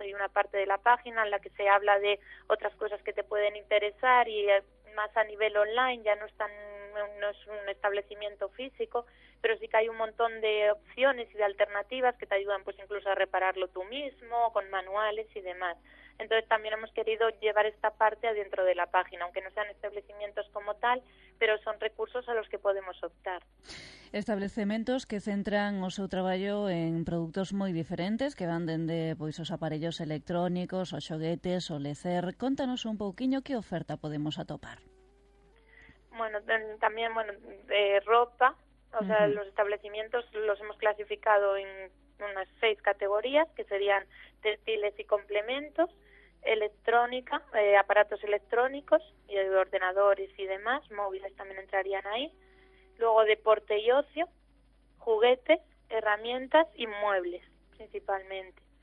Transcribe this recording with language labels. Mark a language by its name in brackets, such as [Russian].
[Spanish] Hay una parte de la página en la que se habla de otras cosas que te pueden interesar y más a nivel online, ya no es un establecimiento físico, pero sí que hay un montón de opciones y de alternativas que te ayudan pues incluso a repararlo tú mismo, con manuales y demás. Entonces también hemos querido llevar esta parte adentro de la página, aunque no sean establecimientos como tal, pero son recursos a los que podemos optar. [Galician] Establecementos que centran o seu traballo en productos moi diferentes, que van dende pois os aparellos electrónicos, os xoguetes, o lecer. Contanos un pouquiño que oferta podemos atopar. [Spanish] Bueno, también, bueno, de ropa, o sea, los establecimientos los hemos clasificado en unas 6 categorías, que serían textiles y complementos, electrónica, aparatos electrónicos, y ordenadores y demás, móviles también entrarían ahí, luego deporte y ocio, juguetes, herramientas y muebles, principalmente.